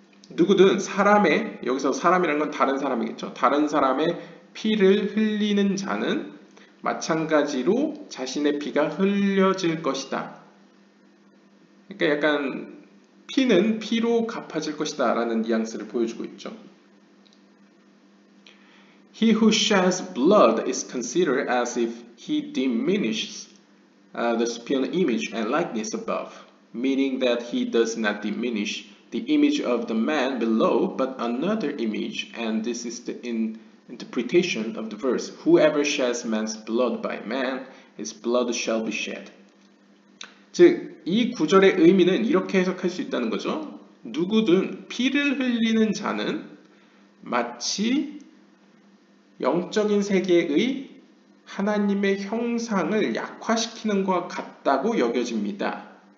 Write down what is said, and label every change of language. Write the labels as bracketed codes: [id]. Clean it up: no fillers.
[ko] 누구든 사람의, 여기서 사람이라는 건 다른 사람이겠죠. 다른 사람의 피를 흘리는 자는 마찬가지로 자신의 피가 흘려질 것이다. 그러니까 약간 피는 피로 갚아질 것이다 라는 뉘앙스를 보여주고 있죠. [en] He who sheds blood is considered as if he diminishes the spewn image and likeness above, meaning that he does not diminish the image of the man below, but another image, and this is the interpretation of the verse. Whoever sheds man's blood by man, his blood shall be shed. [ko] 즉, 이 구절의 의미는 이렇게 해석할 수 있다는 거죠. 누구든 피를 흘리는 자는 마치 영적인 세계의 하나님의 형상을 약화시키는 것 같다고 여겨집니다.